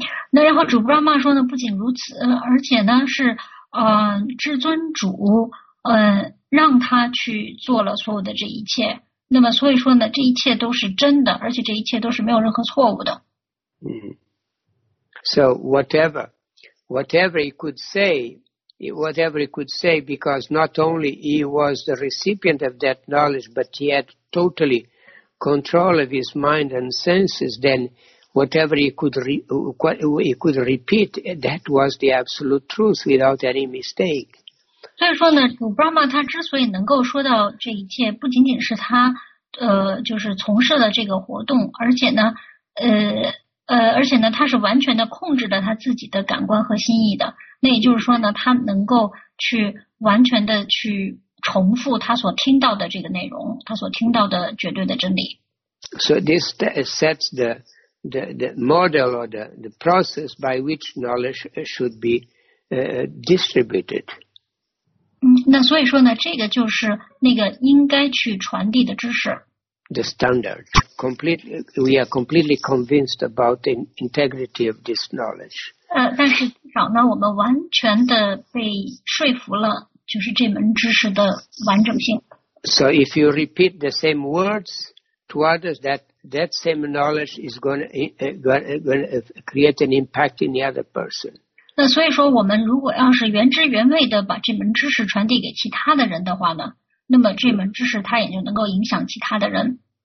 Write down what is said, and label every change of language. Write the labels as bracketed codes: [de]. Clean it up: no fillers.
[zh] 那然后主布拉玛说呢，不仅如此，而且呢是至尊主让他去做了所有的这一切。那么所以说呢，这一切都是真的，而且这一切都是没有任何错误的。 [en] So whatever he could say, because not only he was the recipient of that knowledge, but he had totally control of his mind and senses, then whatever he could repeat, that was the absolute truth without any mistake. [zh] 所以说呢，主布拉玛他之所以能够说到这一切，不仅仅是他就是从事了这个活动，而且呢他是完全的控制着他自己的感官和心意的，那也就是说呢，他能够去完全的去重复他所听到的这个内容，他所听到的绝对的真理。 [en] So this sets the model or the process by which knowledge should be distributed. [zh] 那所以说呢，这个就是那个应该去传递的知识。 [en] The standard. We are completely convinced about the integrity of this knowledge. [zh] 但是至少呢，我们完全的被说服了，就是这门知识的完整性。 [en] So if you repeat the same words to others, that same knowledge is going to create an impact in the other person. [zh] 那所以说，我们如果要是原汁原味的把这门知识传递给其他的人的话呢？那么这门知识它也就能够影响其他的人。